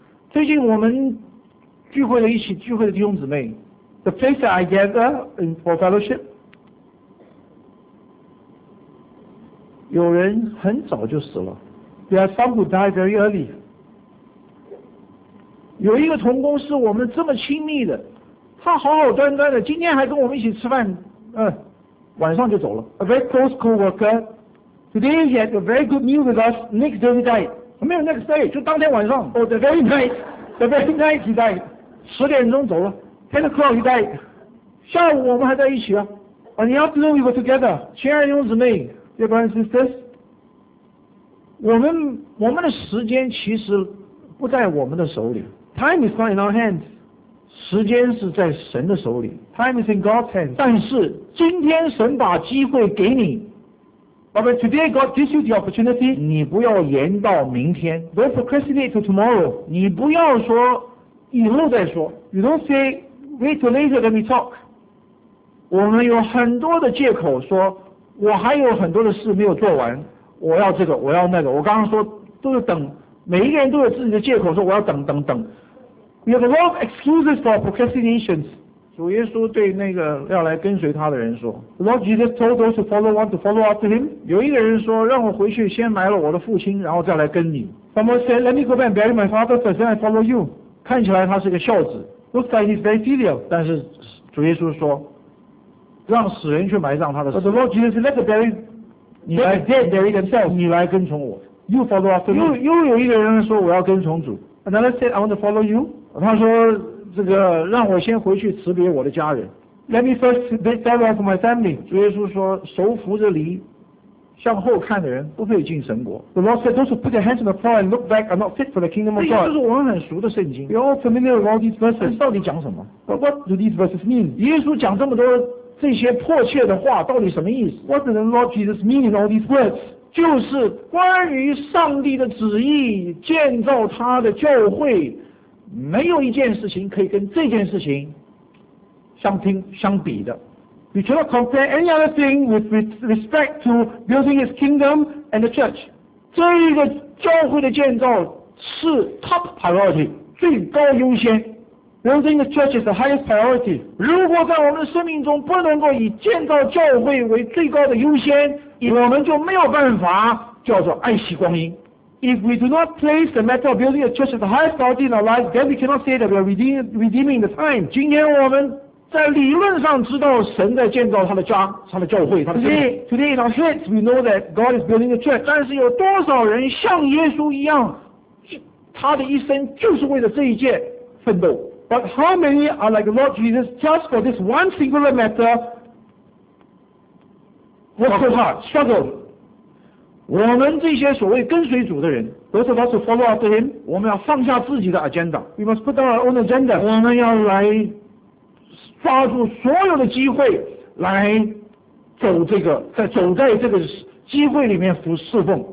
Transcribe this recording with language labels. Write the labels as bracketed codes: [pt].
[zh] 最近我们聚会的弟兄姊妹 [en] ，the place that I gather in for fellowship， [zh] 有人很早就死了 [en] ，there are some who died very early。 [zh] 有一个同工是我们这么亲密的，他好好端端的，今天还跟我们一起吃饭，晚上就走了。 [en] A very close co-worker today he had a very good meal with us. Next day he died. [zh] 没有 [en] next day， [zh] 就当天晚上。 [en] Oh, the very night he died. [zh] 10点走了。 [en] 10 o'clock he died. [zh] 下午我们还在一起啊。 [en] On the afternoon we were together. [zh] 亲爱的弟兄姊妹 [en] ，Dear brothers and sisters， [zh] 我们的时间其实不在我们的手里。 [en] Time is not in our hands. [zh] 时间是在神的手里。 [en] Time is in God's hands. [zh] 但是今天神把机会给你。 [en] But when today God gives you the opportunity, [zh] 你不要延到明天。 [en] Don't procrastinate to tomorrow. [zh] 你不要说以后再说。 [en] You don't say, wait till later let me talk. [zh] 我们有很多的借口说，我还有很多的事没有做完，我要这个，我要那个。我刚刚说都是等，每一个人都有自己的借口说我要等等等。 [en] We have a lot of excuses for procrastination. [zh] 主耶稣对那个要来跟随他的人说 [en] ，Lord Jesus told those who follow want to follow after him。 [zh] 有一个人说，让我回去先埋了我的父亲，然后再来跟你。 [en] Someone said, let me go back and bury my father first, then I follow you。 [zh] 看起来他是个孝子 [en] ，looks like he's very filial。 [zh] 但是主耶稣说，让死人去埋葬他的死。 [en] But the Lord Jesus said, let the dead bury themselves。 [zh] 你来跟从我 [en] ，you follow after me。 [zh] 又有一个人说，我要跟从主。 [en] Another said, I want to follow you。 [zh] 他说。这个让我先回去辞别我的家人。 [en] Let me first bid farewell to my family. [zh] 主耶稣说，手扶着犁，向后看的人不配进神国。 [en] The Lord said, those who put their hands on the plow and look back are not fit for the kingdom of God. [zh] 这就是我们很熟的圣经。 [en] We are all familiar with all these verses. [zh] 到底讲什么？ [en] But what do these verses mean? [zh] 耶稣讲这么多这些迫切的话，到底什么意思？ [en] What does the Lord Jesus mean in all these words? [zh] 就是关于上帝的旨意，建造他的教会，没有一件事情可以跟这件事情相比的。 [en] We cannot compare any other thing with respect to building His kingdom and the church. [zh] 这个教会的建造是 [en] top priority, [zh] 最高优先。 [en] Building the church is the highest priority. [zh] 如果在我们的生命中不能够以建造教会为最高的优先，我们就没有办法叫做爱惜光阴。 [en] If we do not place the matter of building a church as the highest priority in our lives, then we cannot say that we are redeeming the time. [zh] 今天我们在理论上知道神在建造他的家，他的教会，他的教会。 [en] Today in our heads, we know that God is building a church. [zh] 但是有多少人像耶稣一样，他的一生就是为了这一件奋斗？ [en] But how many are like the Lord Jesus just for this one singular matter? Work so hard, struggle. [zh] 我们这些所谓跟随主的人 [en] those of us who follow after him, [zh] 我们要放下自己的 agenda, [en] we must put down our own agenda, [zh] 我们要来抓住所有的机会来走这个在走在这个机会里面服侍奉